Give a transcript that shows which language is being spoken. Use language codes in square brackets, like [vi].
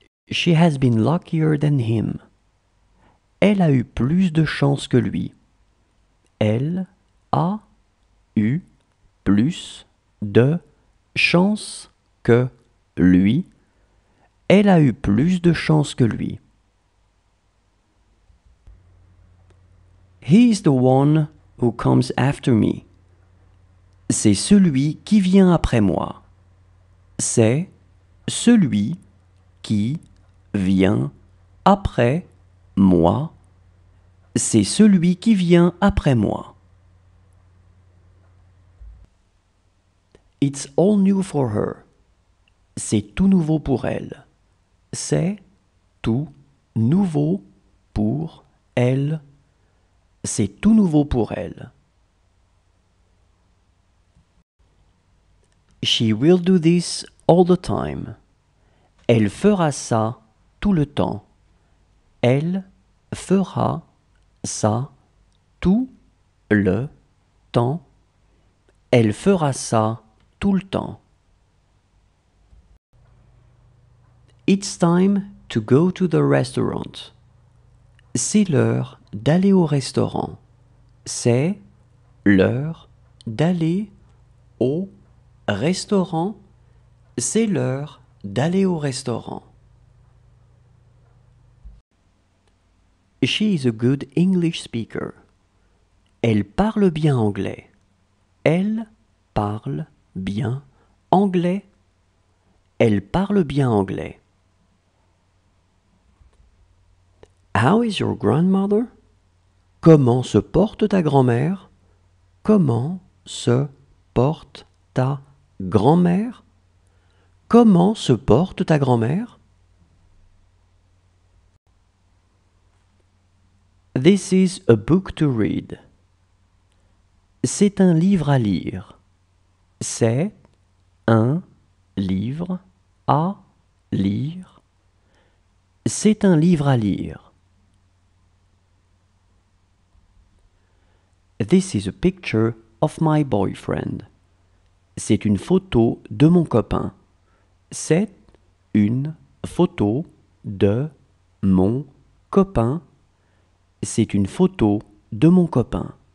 [en] She has been luckier than him. [fr] Elle a eu plus de chance que lui. Elle a eu plus de chance que lui. Elle a eu plus de chance que lui. He is the one who comes after me. C'est celui qui vient après moi. C'est celui qui vient après moi. C'est celui qui vient après moi. [en] It's all new for her. [fr] C'est tout nouveau pour elle. C'est tout nouveau pour elle. C'est tout nouveau pour elle. [en] She will do this all the time. [fr] Elle fera ça tout le temps. Elle fera ça tout le temps. Elle fera ça tout le temps. [en] It's time to go to the restaurant. [fr] C'est l'heure d'aller au restaurant. C'est l'heure d'aller au restaurant. C'est l'heure d'aller au restaurant. [en] She is a good English speaker. [fr] Elle parle bien anglais. Elle parle bien anglais. Elle parle bien anglais. [en] How is your grandmother? [fr] Comment se porte ta grand-mère? Comment se porte ta grand-mère? Comment se porte ta grand-mère? [en] This is a book to read. [fr] C'est un livre à lire. C'est un livre à lire. C'est un livre à lire. [en] This is a picture of my boyfriend. [fr] C'est une photo de mon copain. C'est une photo de mon copain. C'est une photo de mon copain.